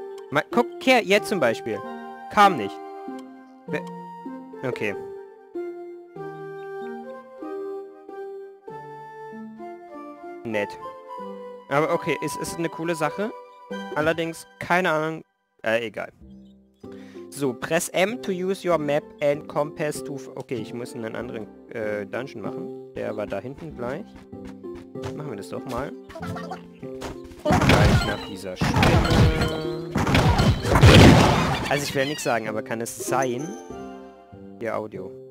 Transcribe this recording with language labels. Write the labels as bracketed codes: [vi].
[de] Mal, guck, hier, jetzt zum Beispiel. Kam nicht. Okay. Nett. Aber okay, es ist eine coole Sache. Allerdings, keine Ahnung. Egal. [en] So, press M to use your map and compass to... [de] Okay, ich muss einen anderen Dungeon machen. Der war da hinten gleich. Machen wir das doch mal. Gleich nach dieser Spinne. Also ich will nichts sagen, aber kann es sein... Ihr Audio.